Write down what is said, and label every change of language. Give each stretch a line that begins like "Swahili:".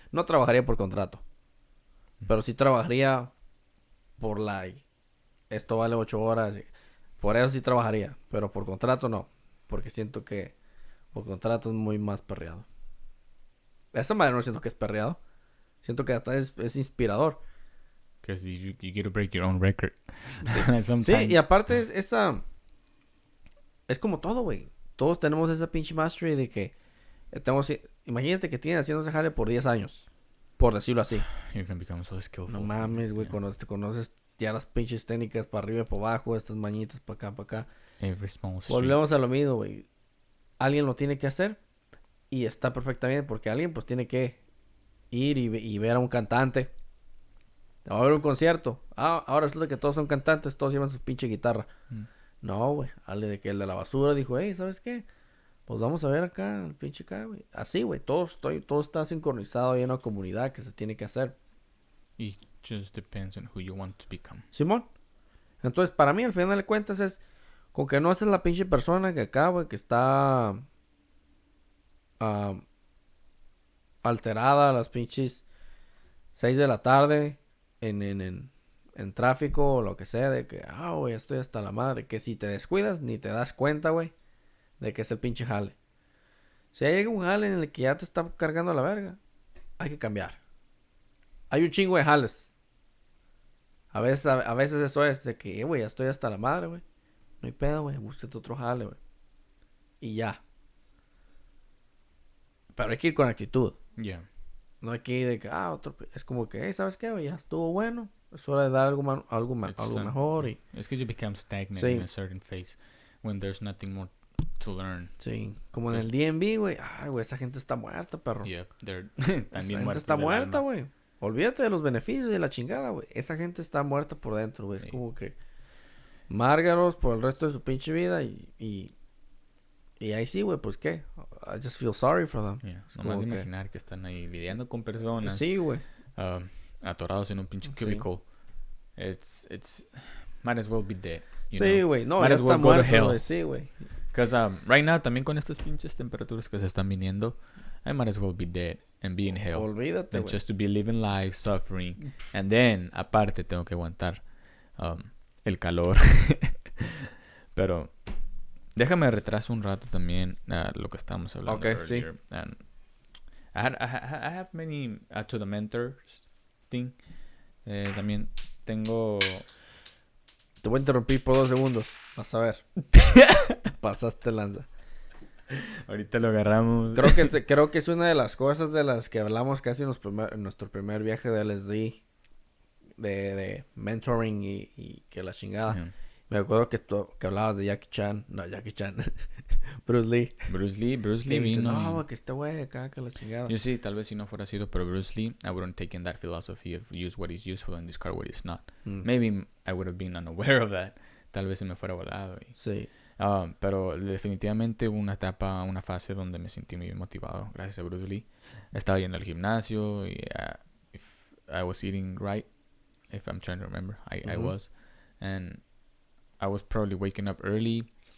Spanish: No trabajaría por contrato. Pero sí trabajaría por la. Esto vale 8 horas. Y, por eso sí trabajaría. Pero por contrato no. Porque siento que. Por contrato es muy más perreado. De esa manera no siento que es perreado. Siento que hasta es inspirador.
English: Because you get to break your own record.
Spanish: Sí, y aparte es esa. Es como todo, güey. Todos tenemos esa pinche mastery de que. Imagínate que tienes haciendo ese jale por 10 años. Por decirlo así.
English: You're gonna become so skillful.
Spanish: No mames, güey. Yeah. Te conoces ya las pinches técnicas para arriba y para abajo. Estas mañitas para acá.
English: Every small street.
Spanish: Volvemos a lo mismo, güey. Alguien lo tiene que hacer y está perfectamente porque alguien pues tiene que ir y ver a un cantante. Va a haber un concierto. Ah, ahora resulta que todos son cantantes, todos llevan su pinche guitarra. No, güey. Alguien de que el de la basura dijo, hey, ¿sabes qué? Pues vamos a ver acá el pinche acá, güey. Así, güey. Todo está sincronizado. Hay una comunidad que se tiene que hacer.
English: It just depends on who you want to become.
Spanish: Simón. Entonces, para mí, al final de cuentas es... Con que no estés la pinche persona que acá, güey, que está alterada a las pinches 6 de la tarde en tráfico o lo que sea, de que, ah, güey, estoy hasta la madre. Que si te descuidas, ni te das cuenta, güey, de que es el pinche jale. Si hay algún jale en el que ya te está cargando la verga, hay que cambiar. Hay un chingo de jales. A veces eso es, de que, güey, ya estoy hasta la madre, güey. No hay pedo, güey. Búsquete otro jale, güey. Y ya. Pero hay que ir con actitud. Ya. Yeah. No hay que ir de que, ah, otro. Es como que, hey, ¿sabes qué, güey? Ya estuvo bueno. Es hora de dar algo mejor. Y... Es que
English: you become stagnant, sí, in a certain phase when there's nothing more to learn.
Spanish: Sí. Como en el DMV, güey. Ay, güey, esa gente está muerta, perro.
English: Yeah, they're
Spanish: también muerta. Esa gente está muerta, güey. Olvídate de los beneficios y de la chingada, güey. Esa gente está muerta por dentro, güey. Es como que. Márgaros por el resto de su pinche vida y ahí sí, güey, pues qué.
English: I just feel sorry for them. Yeah.
Spanish: Nomás de imaginar que están ahí lidiando con personas. Sí, güey. Atorados en un pinche cubicle. Sí.
English: It's might as well be dead.
Spanish: Sí, güey. No,
English: might as well go to hell. Sí, güey. Because right now,
Spanish: también con estas pinches temperaturas que se están viniendo,
English: I might as well be dead and be in hell.
Spanish: Olvídate, güey.
English: Just to be living life, suffering. And then,
Spanish: aparte, tengo que aguantar. El calor. Pero déjame retraso un rato también a lo que estábamos hablando.
English: Okay, earlier.
Spanish: Sí.
English: And I have many to the mentors thing.
Spanish: También tengo. Te voy a interrumpir por 2 segundos. Vas a ver. Pasaste lanza. Ahorita lo agarramos. Creo que es una de las cosas de las que hablamos casi en nuestro primer viaje de LSD. De mentoring y que la chingada. Yeah. Me acuerdo que hablabas de Jackie Chan. No, Jackie Chan. Bruce Lee. Bruce Lee, Bruce Lee vino. Dice, no, y... que este güey de caca, la chingada. Yo sí, tal vez si no fuera sido, pero
English: Bruce Lee, I wouldn't take in that philosophy of use what is useful and discard what is not. Maybe I would have been unaware of that.
Spanish: Tal vez se me fuera volado. Y... sí. Pero definitivamente hubo una etapa, una fase donde me sentí muy motivado, gracias a Bruce Lee. Estaba yendo al gimnasio y
English: if I was eating right, if I'm trying to remember, I was. And I was probably waking up early.